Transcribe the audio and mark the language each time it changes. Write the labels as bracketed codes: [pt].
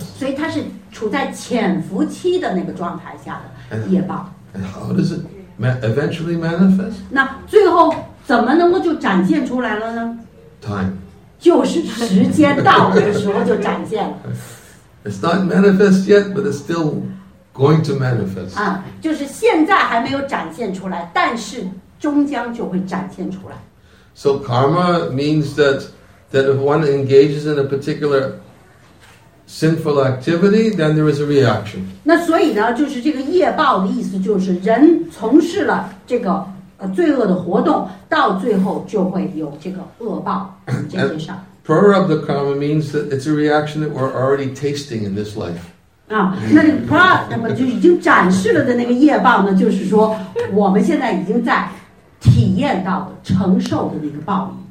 [zh] 所以它是处在潜伏期的那个状态下的业报。 [en] And how does it eventually manifest? [zh] 那最后怎么能够就展现出来了呢 [en] ？Time. [zh] 就是时间到的时候就展现了。 [en] It's not manifest yet, but it's still going to manifest. [zh] 就是现在还没有展现出来，但是终将就会展现出来。 [en] So karma means that if one engages in a particular sinful activity, then there is a reaction. [zh] 那所以呢，就是这个业报的意思，就是人从事了这个罪恶的活动，到最后就会有这个恶报这件事。 [en] Prarabdha karma means that it's a reaction that we're already tasting in this life. [zh] 那这个 prarabdha 那么就已经展示了的那个业报呢，就是说我们现在已经在体验到的、承受的那个报应。